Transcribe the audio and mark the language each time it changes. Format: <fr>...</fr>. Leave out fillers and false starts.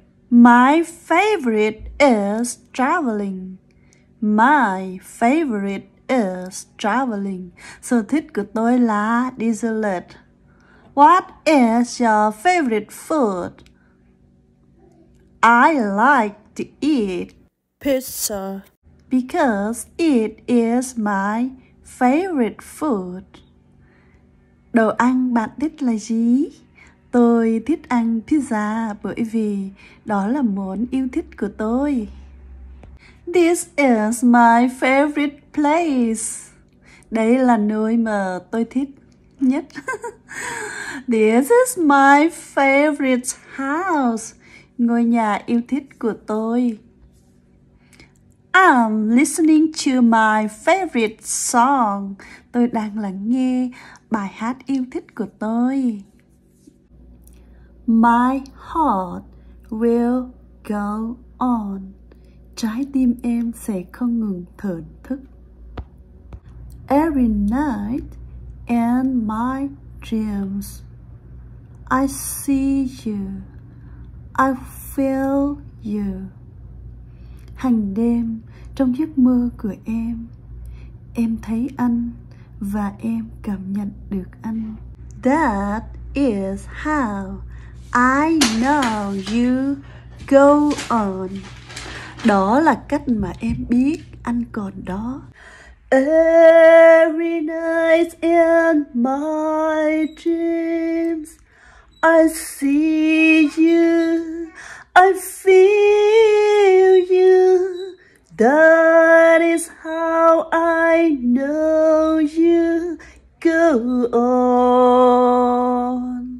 <en>My favorite is traveling. My favorite is traveling.</en> <vi>Sở thích của tôi là đi du lịch.</vi> <en>What is your favorite food? I like to eat pizza because it is my favorite food.</en> <vi>Đồ ăn bạn thích là gì? Tôi thích ăn pizza bởi vì đó là món yêu thích của tôi.</vi> <en>This is my favorite place.</en> <vi>Đây là nơi mà tôi thích nhất.</vi> <en>This is my favorite house.</en> <vi>Ngôi nhà yêu thích của tôi.</vi> <en>I'm listening to my favorite song.</en> <vi>Tôi đang lắng nghe bài hát yêu thích của tôi.</vi> <en>My heart will go on.</en> <vi>Trái tim em sẽ không ngừng thổn thức.</vi> <en>Every night in my dreams, I see you, I feel you.</en> <vi>Hàng đêm trong giấc mơ của em thấy anh và em cảm nhận được anh.</vi> <en>That is how I know you go on.</en> <vi>Đó là cách mà em biết anh còn đó.</vi> <en>Every night in my dreams, I see you, I feel you. That is how I know you go on.</en>